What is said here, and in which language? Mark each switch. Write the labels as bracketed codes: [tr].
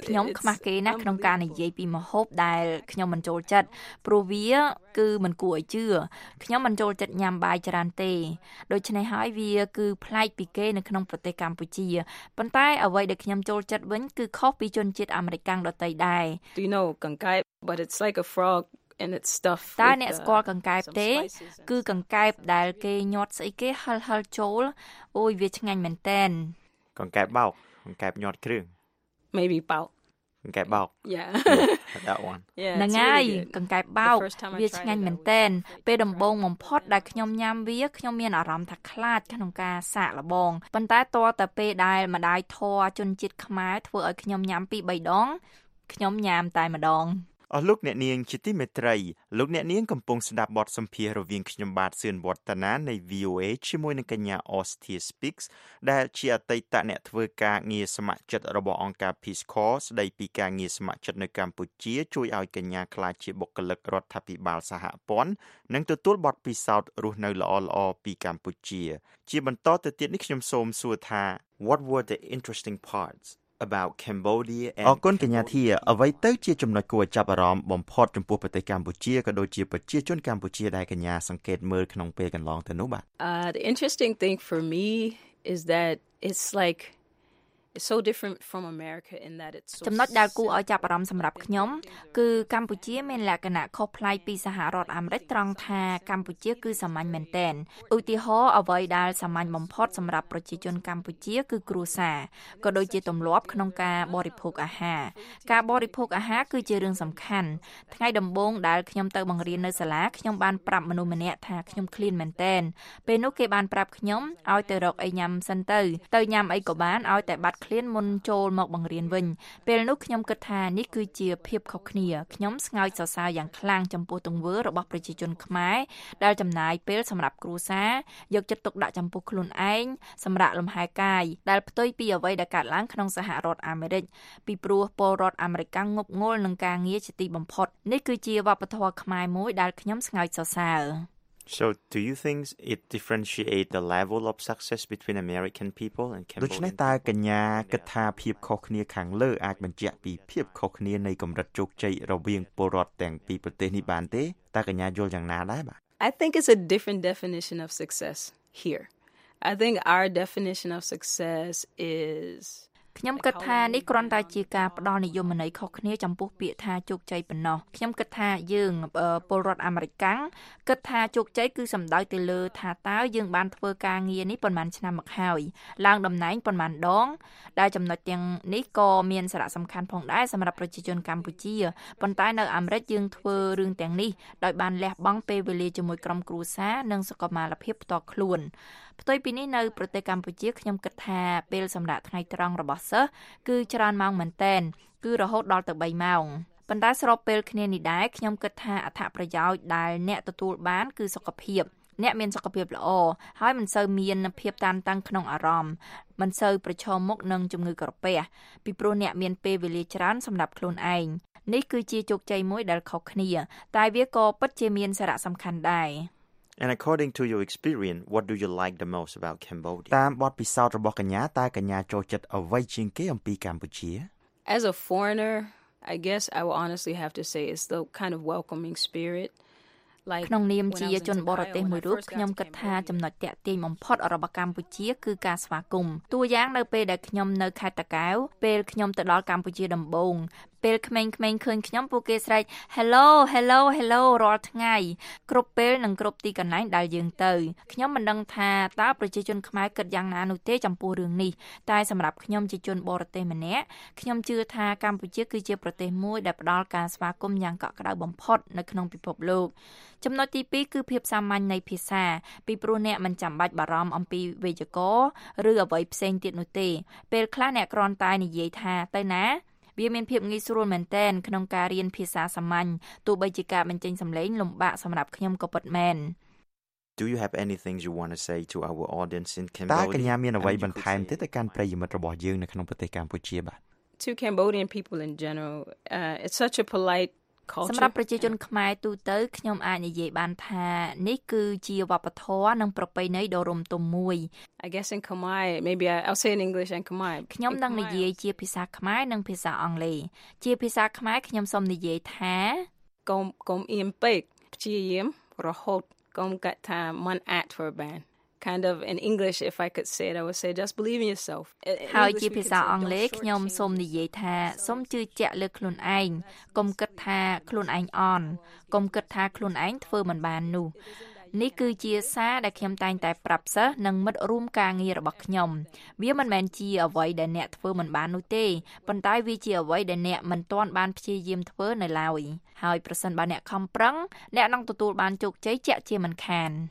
[km] ខ្ញុំខ្មាស់គេណាស់ក្នុងការនិយាយពីម្ហូបដែលខ្ញុំមិនចូលចិត្តព្រោះវាគឺមិនគួរឲ្យជឿខ្ញុំមិនចូលចិត្តញ៉ាំបាយច្រើនទេដូច្នេះហើយវាគឺប្លែកពីគេនៅក្នុងប្រទេសកម្ពុជាប៉ុន្តែអ្វីដែលខ្ញុំចូលចិត្តវិញគឺខុសពីជនជាតិអាមេរិកដទៃដែរ [en] Do you know កង្កែប but it's like a frog and it's stuff [km] តើអ្នកស្គាល់កង្កែបទេគឺកង្កែបដែលគេញាត់ស្អីគេហលហលចូលអូយវាឆ្ងាញ់មែនតើ កង្កែបបោកកង្កែបញាត់គ្រឿង [en] maybe បោក [km] កង្កែបបោក [en] yeah that one [km] ណងាយកង្កែបបោកវាឆ្ងាញ់មែនតើពេលដំបូងបំផុតដែលខ្ញុំញ៉ាំវាខ្ញុំមានអារម្មណ៍ថាខ្លាចក្នុងការសាកល្បងប៉ុន្តែតរតែពេលដែលម្ដាយធေါ်ជន់ចិត្តខ្មៅធ្វើឲ្យខ្ញុំញ៉ាំពីរបីដងខ្ញុំញ៉ាំតែម្ដង អរលោកអ្នកនាងជាទីមេត្រីលោកអ្នកនាងកំពុងស្ដាប់បទសម្ភាសន៍រវាងខ្ញុំបាទសឿនវឌ្ឍនានៃ VOA ជាមួយនឹងកញ្ញា Austin Speaks ដែលជាអតីតអ្នកធ្វើការងារស្ម័គ្រចិត្តរបស់អង្គការ Peace Corps ស្ដីពីការងារស្ម័គ្រចិត្តនៅកម្ពុជាជួយឲ្យកញ្ញាក្លាយជាបុគ្គលិករដ្ឋាភិបាលសហព័ន្ធនិងទទួលបទពិសោធន៍រស់នៅល្អល្អពីកម្ពុជាជាបន្តទៅទៀតនេះខ្ញុំសូមសួរថា [en] What were the interesting parts? About Cambodia and [km] អរគុណកញ្ញាធាអ្វីទៅជាចំណុចគួរឲ្យចាប់អារម្មណ៍បំផុតចំពោះប្រទេសកម្ពុជាក៏ដូចជាប្រជាជនកម្ពុជាដែលកញ្ញាសង្កេតមើលក្នុងពេលកន្លងទៅនោះបាទ [en] The interesting thing for me is that it's like It's so different from America in that it's so [km] ចំណុចដែលគួរឲ្យចាប់អារម្មណ៍សម្រាប់ខ្ញុំគឺកម្ពុជាមានលក្ខណៈខុសប្លែកពីសហរដ្ឋអាមេរិកត្រង់ថាកម្ពុជាគឺសាមញ្ញមែនទែនឧទាហរណ៍អ្វីដែលសាមញ្ញបំផុតសម្រាប់ប្រជាជនកម្ពុជាគឺគ្រួសារក៏ដូចជាទម្លាប់ក្នុងការបរិភោគអាហារ ការបរិភោគអាហារគឺជារឿងសំខាន់ថ្ងៃដំបូងដែលខ្ញុំទៅបង្រៀននៅសាលាខ្ញុំបានប្រាប់មនុស្សម្នាក់ថាខ្ញុំឃ្លានមែនទែនពេលនោះគេបានប្រាប់ខ្ញុំឲ្យទៅរកអីញ៉ាំសិនទៅទៅញ៉ាំអីក៏បានឲ្យតែបាត់ឃ្លានមុនចូលមកបង្រៀនវិញពេលនោះខ្ញុំគិតថានេះគឺជាភាពខុសគ្នាខ្ញុំស្ងើចសរសើរយ៉ាងខ្លាំងចំពោះទង្វើរបស់ប្រជាជនខ្មែរ ដែលចំណាយពេលសម្រាប់គ្រួសារយកចិត្តទុកដាក់ចំពោះខ្លួនឯងសម្រាប់លំហែកាយដែលផ្ទុយពីអ្វីដែលកើតឡើងក្នុងសហរដ្ឋអាមេរិកពីព្រោះពលរដ្ឋអាមេរិកងប់ងល់នឹងការងារជាទីបំផុតនេះគឺជាវប្បធម៌ខ្មែរមួយដែលខ្ញុំស្ងើចសរសើរ [en] So do you think it differentiate the level of success between American people and Cambodian? [km] ដូច្នេះតើកញ្ញាគិតថាភាពខុសគ្នាខាងលើអាចបញ្ជាក់ពីភាពខុសគ្នានៃកម្រិតជោគជ័យរវាងពលរដ្ឋទាំងពីរប្រទេសនេះបានទេ? តើកញ្ញាយល់យ៉ាងណាដែរបាទ? [en] I think it's a different definition of success here. I think our definition of success is [km] ខ្ញុំគិតថានេះគ្រាន់តែជាការផ្ដល់និយមន័យខុសគ្នាចំពោះពាក្យថាជោគជ័យប៉ុណ្ណោះខ្ញុំគិតថាយើងពលរដ្ឋអាមេរិកាំងគិតថាជោគជ័យគឺសំដៅទៅលើថាតើយើងបានធ្វើការងារនេះប៉ុន្មានឆ្នាំមកហើយឡើងតំណែងប៉ុន្មានដងដែលចំណុចទាំងនេះក៏មានសារៈសំខាន់ផងដែរសម្រាប់ប្រជាជនកម្ពុជាប៉ុន្តែនៅអាមេរិកយើងធ្វើរឿងទាំងនេះដោយបានលះបង់ពេលវេលាជាមួយក្រុមគ្រួសារនិងសុខុមាលភាពផ្ទាល់ខ្លួន ផ្ទុយពីនេះនៅប្រទេសកម្ពុជាខ្ញុំគិតថាពេលសម្រាប់ថ្ងៃត្រង់របស់សិស្សគឺច្រើនម៉ោងមែនទែនគឺរហូតដល់ទៅ3ម៉ោងប៉ុន្តែស្របពេលគ្នានេះដែរខ្ញុំគិតថាអត្ថប្រយោជន៍ដែលអ្នកទទួលបានគឺសុខភាពអ្នកមានសុខភាពល្អហើយមិនសូវមានភាពតានតឹងក្នុងអារម្មណ៍មិនសូវប្រឈមមុខនឹងជំងឺក្រពះពីព្រោះអ្នកមានពេលវេលាច្រើនសម្រាប់ខ្លួនឯងនេះគឺជាជោគជ័យមួយដែលខុសគ្នាតែវាក៏ពិតជាមានសារៈសំខាន់ដែរ [en] And according to your experience, what do you like the most about Cambodia? [km] តាមបទពិសោធន៍របស់កញ្ញាតើកញ្ញាចូលចិត្តអ្វីជាងគេអំពីកម្ពុជា? [en] As a foreigner, I guess I will honestly have to say it's the kind of welcoming spirit. [km] ក្នុងនាមជាជនបរទេសមួយរូបខ្ញុំគិតថាចំណុចទាក់ទាញបំផុតរបស់កម្ពុជាគឺការស្វាគមន៍តួយ៉ាងនៅពេលដែលខ្ញុំនៅខេត្តតាកែវពេលខ្ញុំទៅដល់កម្ពុជាដំបូងពេលក្មេងៗឃើញខ្ញុំពួកគេស្រែក [en] Hello Hello Hello [km] រាល់ថ្ងៃ គ្រប់ពេលនិងគ្រប់ទីកន្លែងដែលយើងទៅខ្ញុំមិនដឹងថាតើប្រជាជនខ្មែរគិតយ៉ាងណានោះទេចំពោះរឿងនេះតែសម្រាប់ខ្ញុំជាជនបរទេសម្នាក់ខ្ញុំជឿថាកម្ពុជាគឺជាប្រទេសមួយដែលផ្ដល់ការស្វាគមន៍យ៉ាងកក់ក្ដៅបំផុតនៅក្នុងពិភពលោក ចំណុចទី2គឺភាពសាមញ្ញនៃភាសាពីព្រោះអ្នកមិនចាំបាច់បារម្ភអំពីវេយ្យាករណ៍ឬអ្វីផ្សេងទៀតនោះទេពេលខ្លះអ្នកគ្រាន់តែនិយាយថាទៅណាវាមានភាពងាយស្រួលមែនទែនក្នុងការរៀនភាសាសាមញ្ញទោះបីជាការបញ្ចេញសំឡេងលំបាកសម្រាប់ខ្ញុំក៏ពិតមែន [en] Do you have anything you want to say to our audience in Cambodia? [km] តើកញ្ញាមានអ្វីបន្ថែមទេទៅកាន់ប្រិយមិត្តរបស់យើងនៅក្នុងប្រទេសកម្ពុជាបាទ [en] To Cambodian people in general, it's such a polite [km] សម្រាប់ប្រជាជនខ្មែរទូទៅខ្ញុំអាចនិយាយបានថានេះគឺជាវប្បធម៌និងប្រពៃណីដ៏រំទុំមួយ [en] I guess in Khmer maybe I'll say in English and Khmer [km] ខ្ញុំនឹងនិយាយជាភាសាខ្មែរនិងភាសាអង់គ្លេសជាភាសាខ្មែរខ្ញុំសូមនិយាយថា កុំអៀមពេកព្យាយាមរហូតកុំកថាមិនអាចធ្វើបាន [en] kind of in English if I could say it I would say just believe in yourself [km] ហើយជាភាសាអង់គ្លេសខ្ញុំសូមនិយាយថាសូមជឿជាក់លើខ្លួនឯងកុំគិតថាខ្លួនឯងអន់កុំគិតថាខ្លួនឯងធ្វើមិនបាននោះនេះគឺជាសារដែលខ្ញុំតែងតែប្រាប់សិស្សនិងមិត្តរួមការងាររបស់ខ្ញុំវាមិនមែនជាអ្វីដែលអ្នកធ្វើមិនបាននោះទេប៉ុន្តែវាជាអ្វីដែលអ្នកមិនទាន់បានព្យាយាមធ្វើនៅឡើយហើយប្រសិនបើអ្នកខំប្រឹងអ្នកនឹងទទួលបានជោគជ័យជាក់ជាមិនខាន